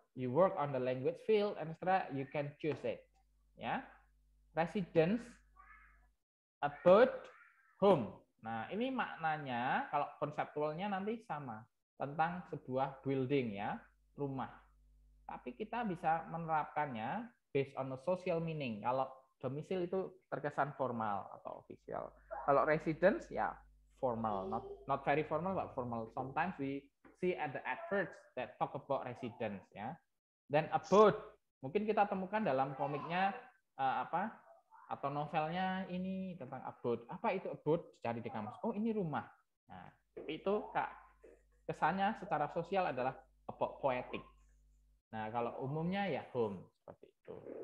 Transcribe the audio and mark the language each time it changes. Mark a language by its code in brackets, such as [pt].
[en] You work on the language field, and extra, you can choose it. Ya, residence, abode, home. [id] Nah, ini maknanya kalau konseptualnya nanti sama tentang sebuah building ya, rumah. Tapi kita bisa menerapkannya [en] based on the social meaning. [id] Kalau domisil itu terkesan formal atau official. [en] Kalau residence ya formal, not very formal but formal. Sometimes we see at the adverts that talk about residence ya. Then abode. [id] Mungkin kita temukan dalam komiknya apa? Atau novelnya ini tentang abode. Apa itu abode? Cari di kamus. Oh, ini rumah. Nah, itu kak kesannya secara sosial adalah [en] about poetic. [id] Nah, kalau umumnya ya home. seperti itu.